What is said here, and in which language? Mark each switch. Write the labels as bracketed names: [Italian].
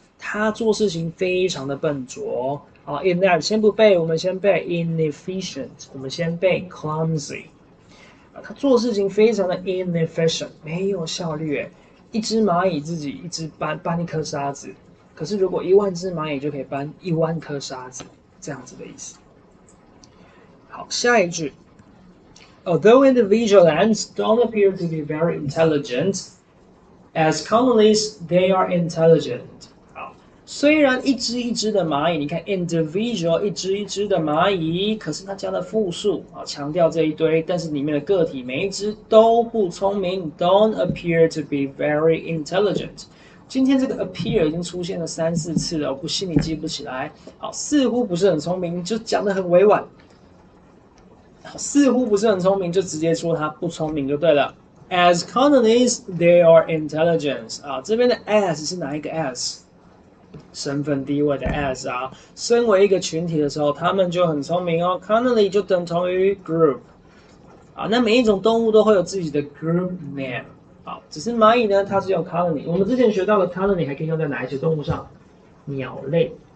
[Chinese] 他做事情非常的笨拙。好，inept 先不背，我们先背 inefficient，我们先背 clumsy。他做事情非常的 inefficient，没有效率。一只蚂蚁自己一只搬一颗沙子，可是如果一万只蚂蚁就可以搬一万颗沙子，这样子的意思。好，下一句。 [English] Although individual ants don't appear to be very intelligent, as colonies, they are intelligent. [Chinese] 好，虽然一只一只的蚂蚁，你看 individual 一只一只的蚂蚁，可是它加了复数啊，强调这一堆，但是里面的个体每一只都不聪明， [English] don't appear to be very intelligent. [Chinese] 今天这个 appear 已经出现了三四次了，我不信你记不起来。好，似乎不是很聪明，就讲得很委婉。似乎不是很聪明，就直接说他不聪明就对了。 [English] As colonies, they are intelligent 啊， [Chinese] 这边的 [English] as [Chinese] 是哪一个 [English] as？ [Chinese] 身份地位的 as 啊。身为一个群体的时候，他们就很聪明哦。 Colony 就等同于 group 啊。那每一种动物都会有自己的 group name 啊。只是蚂蚁呢，它是用 colony。我们之前学到的 colony 还可以用在哪一些动物上？鸟类。